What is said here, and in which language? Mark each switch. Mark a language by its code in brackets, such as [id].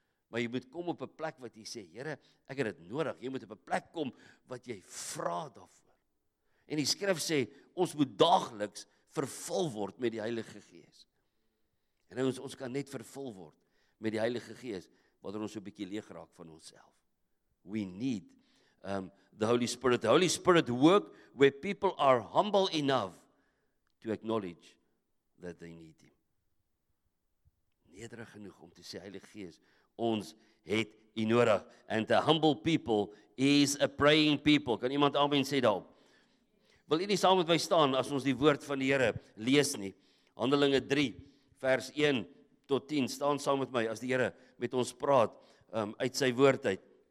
[af] Maar jy moet kom op 'n plek wat jy sê, Here, ek het dit nodig. Jy moet op 'n plek kom wat jy vra daarvoor. En die skrif sê, ons moet daagliks vervul word met die Heilige Gees. En nou, ons kan net vervul word met die Heilige Gees, wanneer ons so 'n bietjie leeg raak van onsself. [en] We need the Holy Spirit. The Holy Spirit work where people are humble enough to acknowledge that they need him. [af] Nederig genoeg om te sê, Heilige Gees, ons het u nodig. [en] And a humble people is a praying people. [af] Kan iemand amen sê daarop? Wil u nie saam met my staan as ons die woord van die Here lees nie? Handelinge 3 vers 1 tot 10. Staan saam met my as die Here met ons praat uit sy woord uit.